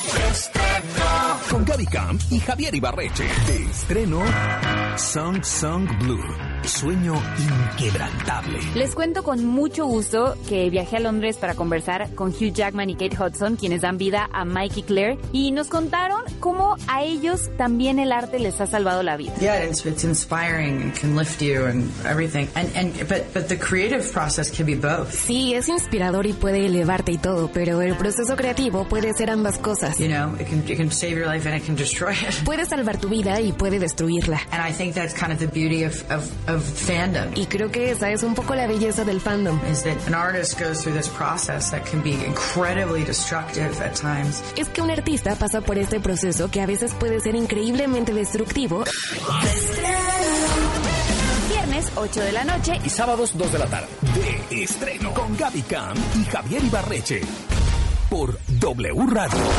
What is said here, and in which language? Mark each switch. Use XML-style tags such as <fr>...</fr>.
<es>Estreno. Con Gaby Camp y Javier Ibarreche. De estreno, Song Song Blue, sueño inquebrantable. Les cuento con mucho gusto que viajé a Londres para conversar con Hugh Jackman y Kate Hudson, quienes dan vida a Mike y Claire, y nos contaron cómo a ellos también el arte les ha salvado la vida.</es> <en>Yeah, it's inspiring and can lift you and everything. But the creative process can be both.</en> <es>Sí, es inspirador y puede elevarte y todo, pero el proceso creativo puede ser ambas cosas.</es> <en>You know, it can save your life and it can destroy it.</en> <es>Puede salvar tu vida y puede destruirla.</es> <en>And I think that's kind of the beauty of fandom.</en> <es>Y creo que esa es un poco la belleza del fandom.</es> <en>Is that an artist goes through this process that can be incredibly destructive at times.</en> <es>Es que un artista pasa por este proceso que a veces puede ser increíblemente destructivo. Viernes 8 de la noche y sábados 2 de la tarde. De estreno con Gaby Cam y Javier Ibarreche. Por W Radio.</es>